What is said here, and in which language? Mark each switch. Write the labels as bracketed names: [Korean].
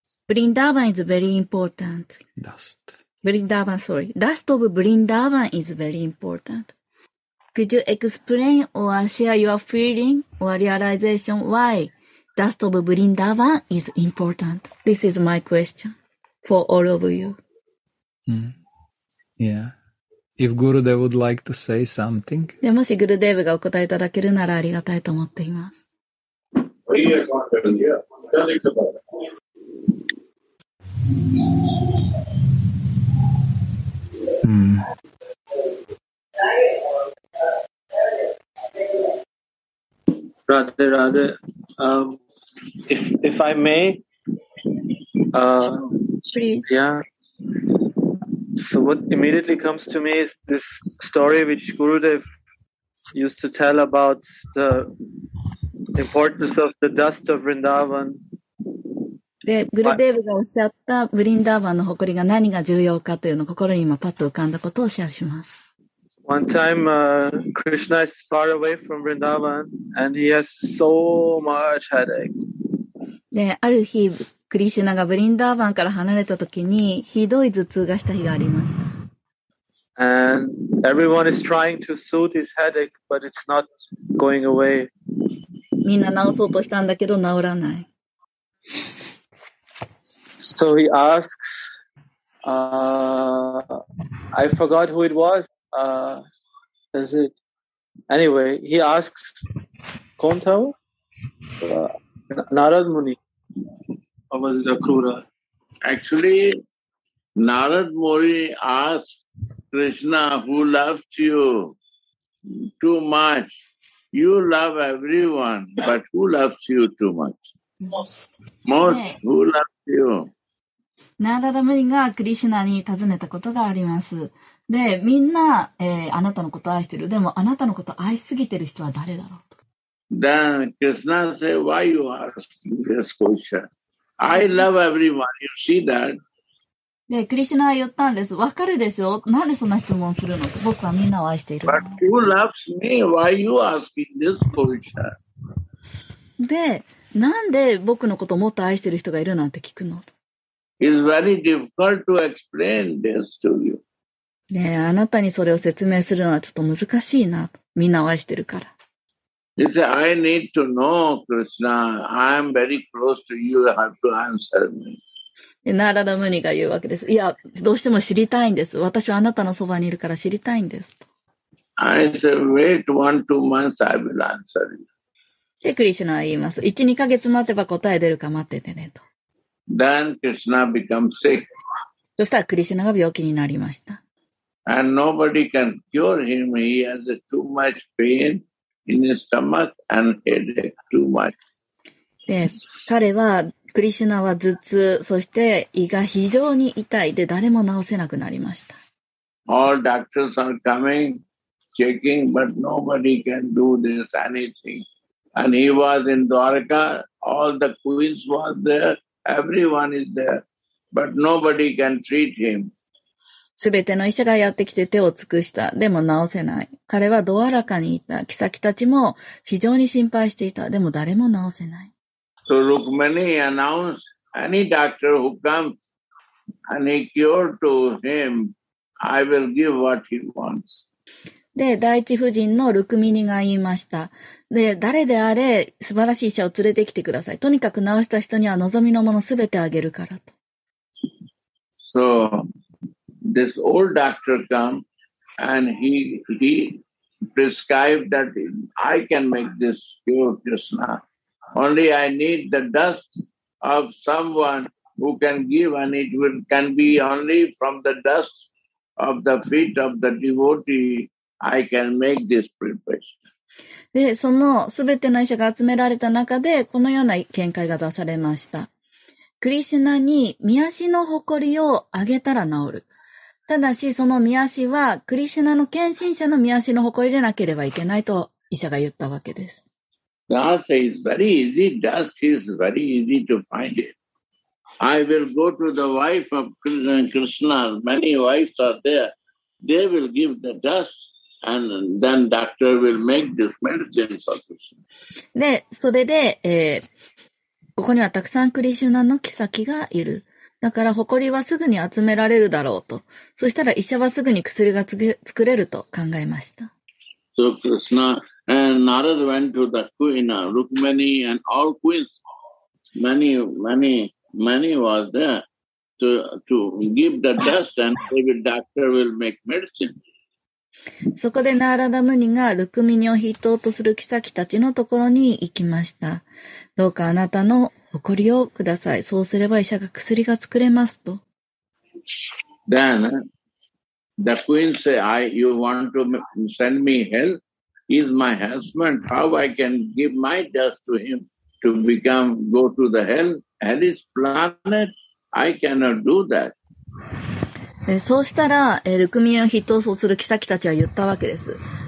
[English] Vrindavan is very important. Dust of Vrindavan is very important. Could you explain or share your feeling or realization why Dust of Vrindavan is important? This is my question for all of you. Yeah. If Gurudev would like to say something. [Japanese] もしグルデーヴがお答えいただけるならありがたいと思っています。 [English] Rather, if I may, please. Yeah. So what immediately comes to me is this story which Gurudev used to tell about the importance of the dust of Vrindavan. [Japanese] で、グルデーヴがおっしゃったブリンダーバンの誇りが何が重要かというのを心に今パッと浮かんだことをシェアします。 [English] One time, Krishna is far away from Vrindavan and he has so much headache. [Japanese] で、ある日、クリシュナがブリンダーバンから離れたときにひどい頭痛がした日がありました。 [English] And everyone is trying to soothe his headache, but it's not going away. [Japanese] みんな治そうとしたんだけど治らない。 [English] So he asks, I forgot who it was. Is it? Anyway, he asks, Kontao? Narad Muni. Or was it Akura? Actually, Narad Muni asked Krishna, who loves you too much? You love everyone, but who loves you too much? Most. Most, who loves you? [Japanese] ナーラダムリがクリシュナに尋ねたことがあります。で、みんな、あなたのことを愛してる。でも、あなたのことを愛しすぎてる人は誰だろう。 [English] Then Krishna said, why you asking this question? I love everyone. You see that? [Japanese] で、クリシュナは言ったんです。わかるでしょ？なんでそんな質問するの？僕はみんなを愛しているの。 [English] But who loves me? Why you asking this question? [Japanese] で、なんで僕のことをもっと愛してる人がいるなんて聞くの？ [English] It's very difficult to explain this to you. [Japanese] ねえ、あなたにそれを説明するのはちょっと難しいな。みんな愛してるから。 [English] You say, I need to know, Krishna. I am very close to you. You have to answer me. [Japanese] ナーラダムニが言うわけです。いや、どうしても知りたいんです。私はあなたのそばにいるから知りたいんです。 [English] I say, wait 1-2 months, I will answer you. [Japanese] で、クリシュナは言います。1、2ヶ月待てば答え出るか待っててねと。 [English] Then Krishna becomes sick. [Japanese] そしたらクリシュナが病気になりました。 [English] And nobody can cure him. He has too much pain in his stomach and headache too much. [Japanese] で、彼はクリシュナは頭痛、そして胃が非常に痛いで誰も治せなくなりました。 [English] All doctors are coming, checking, but nobody can do this anything. And he was in Dwarka. All the queens were there. Everyone is there, but nobody can treat him. [Japanese] 全ての医者がやってきて手を尽くした。でも治せない。彼はドアラカにいた。キサキたちも非常に心配していた。でも誰も治せない。 [English] So Rukmini announced, any doctor who comes, any cure to him, I will give what he wants. [Japanese] で、第一夫人のルクミニが言いました。で、誰であれ、素晴らしい医者を連れてきてください。とにかく治した人には望みのものすべてあげるからと。 [English] So, this old doctor come and he prescribed that I can make this cure, Krishna. Only I need the dust of someone who can give, and it will, can be only from the dust of the feet of the devotee I can make this prepare. [Japanese] で、そのすべての医者が集められた中で、このような見解が出されました。クリシュナに御足の埃をあげたら治る。ただし、その御足はクリシュナの献身者の御足の埃でなければいけないと医者が言ったわけです。 [English] Dust is very easy. Dust is very easy to find it. I will go to the wife of Krishna. Many wives are there. They will give the dust. And then doctor will make this medicine for Krishna. [Japanese] で、それで、ここにはたくさんクリシュナの妃がいる。だから、埃はすぐに集められるだろうと。そしたら、医者はすぐに薬が作れると考えました。 [English] So Krishna and Narada went to the queen, Rukmini and all queens. Many, many, many was there to give the dust and maybe doctor will make medicine. [Japanese] そこでナーラダムニがルクミニを筆頭とするキサキたちのところに行きました。どうかあなたの誇りをください。そうすれば医者が薬が作れますと。 [English] Then the queen said, "You want to send me help? He's my husband. How I can give my dust to him to become go to the hell? Hell is planet. I cannot do that." [Japanese] そうしたら、ルクミニを筆頭とするキサキたちは言ったわけです。